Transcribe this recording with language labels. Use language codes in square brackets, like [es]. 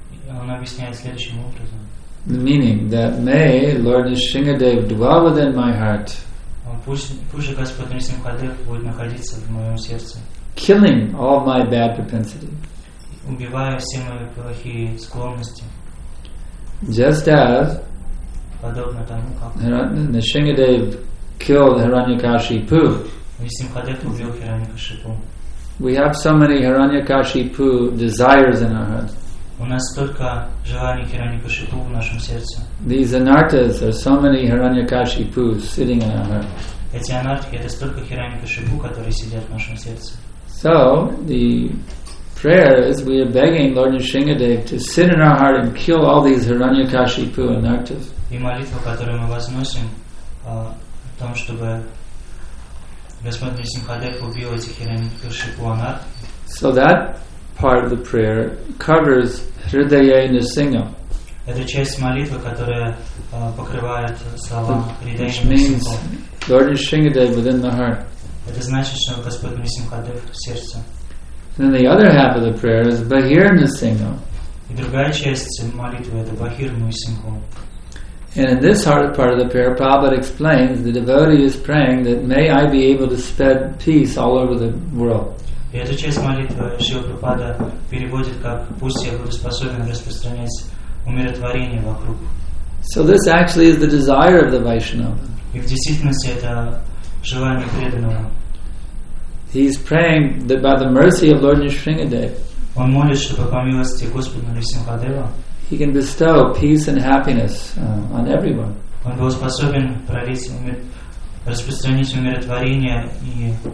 [ru] Он объясняет следующим образом. [en] The meaning that may Lord Nrisimhadev dwell within my heart. [ru] Пусть Господь Нрисимхадев будет находиться в моем сердце. [en] Killing all my bad propensity. [ru] Убивая все мои плохие склонности. [en] Just as [ru] подобно тому, как [en] Нрисимхадев killed Hiranyakashipu. [ru] Нрисимхадев убил Хираньякашипу. [en] We have so many Hiranyakashipu desires in our heart. [ru] У нас столько желаний Хираньякашипу в нашем сердце. [en] These anarthas are so many Hiranyakashipu sitting in our heart. [ru] Эти анартхи — это столько Хираньякашипу, которые сидят в нашем сердце. [en] So the prayer is we are begging Lord Nrisimhadev to sit in our heart and kill all these Hiranyakashipu anarthas. [ru] И молитва, которую мы возносим, о том, чтобы Господь Нрисимхадев убил этих Хираньякашипу анарт. [en] So that part of the prayer covers Hridayay Nrisingham. [ru] Это часть молитвы, которая покрывает слова Hridayay [en] Nrisingham. Which means Lord Nrisimhadev within the heart. [ru] Это значит, что Господь Нрисимхадев в сердце. [en] Then the other half of the prayer is Bahir Nrisingham. [ru] И другая часть молитвы — это Bahir Nrisingham. [en] And in this heart part of the prayer, Prabhupada explains the devotee is praying that may I be able to spread peace all over the world. [ru] И эту часть молитвы Шрила Прабхупада переводит как «Пусть я буду способен распространять умиротворение вокруг». [en] So this actually is the desire of the Vaishnava. [ru] И в действительности это желание преданного. [en] He is praying that by the mercy of Lord Nrisimhadev. [ru] Он молится, чтобы по милости Господа Нрисимхадева. [en] He can bestow peace and happiness on everyone. [ru] Он был способен распространить умиротворение и.